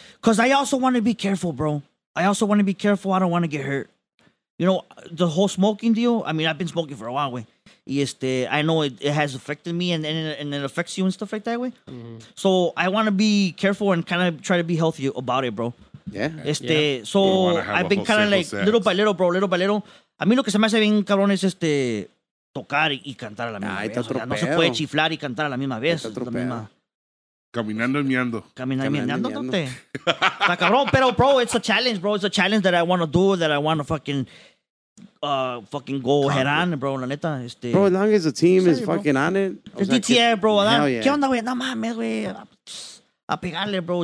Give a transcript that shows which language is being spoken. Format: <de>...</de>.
<en>Because I also want to be careful, bro. I don't want to get hurt. You know, the whole smoking deal, I mean, I've been smoking for a while, güey. Y I know it has affected me and it affects you and stuff like that, güey. Mm-hmm. So I want to be careful and kind of try to be healthy about it, bro. Yeah. So I've been kind of like sex.</en> <es>little by little. A mí lo que se me hace bien cabrón es tocar y cantar a la misma vez. O sea, no se puede chiflar y cantar a la misma vez. La misma... Caminando y meando. Caminando y meando, ¿dónde?</es> <en>Está cabrón, pero bro, it's a challenge that I want to do, that I want to fucking go head on, bro, la neta. Bro, as long as the team is fucking on it.</en> <es>Es DTF, bro. ¿Qué onda, güey? No mames, güey. A pegarle, bro.</es>